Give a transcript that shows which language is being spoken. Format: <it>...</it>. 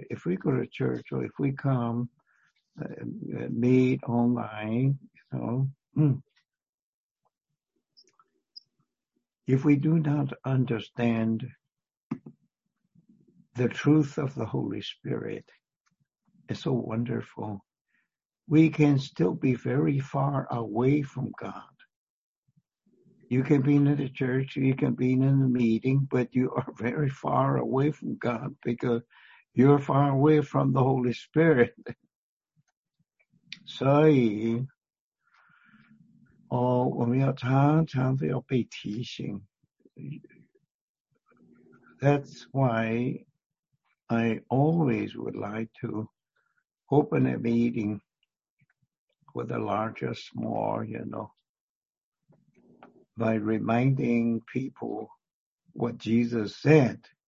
<en>If we go to church, or if we come, meet online, you know, if we do not understand the truth of the Holy Spirit, it's so wonderful, we can still be very far away from God. You can be in the church, you can be in the meeting, but you are very far away from God because you're far away from the Holy Spirit. So,</en> <zh>我们要常常要被提醒。</zh> <en>That's why I always would like to open a meeting with a large or small, you know, by reminding people what Jesus said.</en>